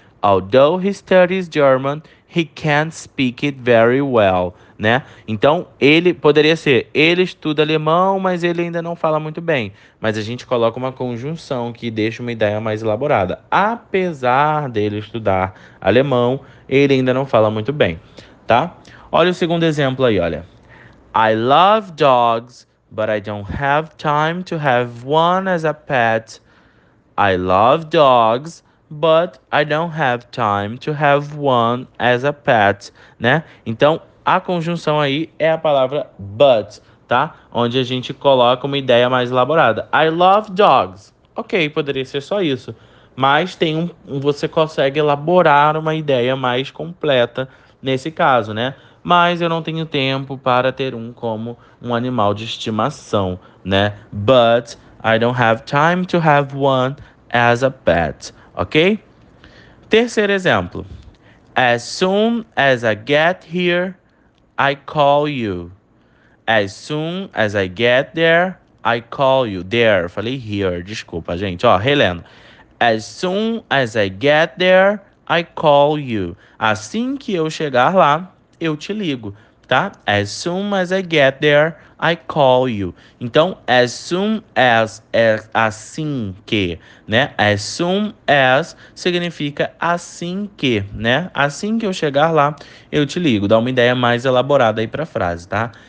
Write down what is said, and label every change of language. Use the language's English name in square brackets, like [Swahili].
[English] Although he studies German, he can't speak it very well, né? [Portuguese] Então, ele poderia ser, ele estuda alemão, mas ele ainda não fala muito bem. Mas a gente coloca uma conjunção que deixa uma ideia mais elaborada. Apesar dele estudar alemão, ele ainda não fala muito bem, tá? Olha o segundo exemplo aí, olha. [English] I love dogs, but I don't have time to have one as a pet. I love dogs, but I don't have time to have one as a pet, né? [Portuguese] Então, a conjunção aí é a palavra but, tá? Onde a gente coloca uma ideia mais elaborada. [English] I love dogs. [Portuguese] Ok, poderia ser só isso. Mas tem você consegue elaborar uma ideia mais completa nesse caso, né? Mas eu não tenho tempo para ter um como um animal de estimação, né? [English] But I don't have time to have one as a pet, ok? [Portuguese] Terceiro exemplo. [English] As soon as I get here, I call you. As soon as I get there, I call you. There, [Portuguese] falei here, desculpa, gente. Ó, relendo. [English] As soon as I get there, I call you. [Portuguese] Assim que eu chegar lá, eu te ligo, tá? [English] As soon as I get there, I call you. [Portuguese] Então, [English] as soon as [Portuguese] é assim que, né? [English] As soon as [Portuguese] significa assim que, né? Assim que eu chegar lá, eu te ligo. Dá uma ideia mais elaborada aí pra frase, tá?